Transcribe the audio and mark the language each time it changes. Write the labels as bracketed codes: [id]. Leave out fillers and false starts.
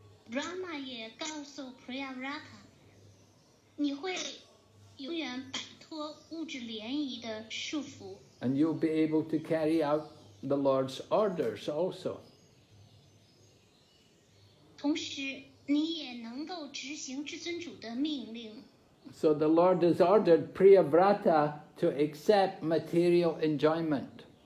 [zh] Brahma 也告诉 Priyavrata, 你会永远摆脱物质涟漪的束缚。 [en] And you'll be able to carry out the Lord's orders also. [zh] 同时，你也能够执行至尊主的命令。 [en] So the Lord has ordered Priyavrata to accept material enjoyment.